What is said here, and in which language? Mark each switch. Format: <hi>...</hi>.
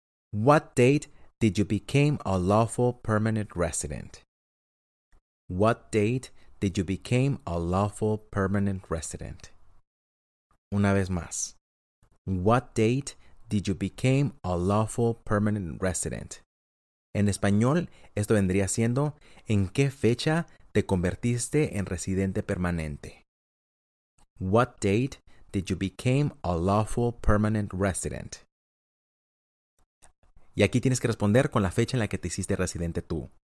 <en>What date did you become a lawful permanent resident? What date did you become a lawful permanent resident?</en> <es>Una vez más.</es> <en>What date did you become a lawful permanent resident?</en> <es>En español, esto vendría siendo, ¿en qué fecha te convertiste en residente permanente?</es> <en>What date did you become a lawful permanent resident?</en> <es>Y aquí tienes que responder con la fecha en la que te hiciste residente tú.</es>